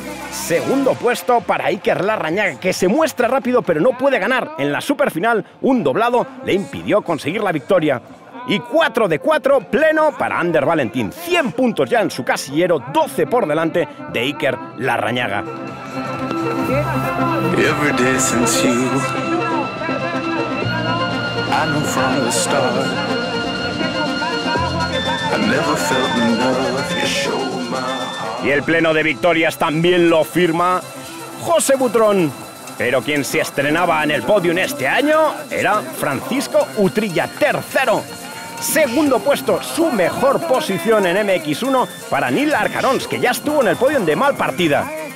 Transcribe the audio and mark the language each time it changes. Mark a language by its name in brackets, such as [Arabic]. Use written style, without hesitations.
[Spanish] Segundo puesto para Iker Larrañaga, que se muestra rápido pero no puede ganar. En la superfinal, un doblado le impidió conseguir la victoria. Y 4 de 4 pleno para Ander Valentín. 100 puntos ya en su casillero, 12 por delante de Iker Larrañaga. [English] Every day since you, I knew from the start. I never felt enough, you show my heart. [Spanish] Y el pleno de victorias también lo firma José Butrón. Pero quien se estrenaba en el podium este año era Francisco Utrilla, tercero. Segundo puesto, su mejor posición en MX1 para Nil Arcarons, que ya estuvo en el podio de Mal Partida.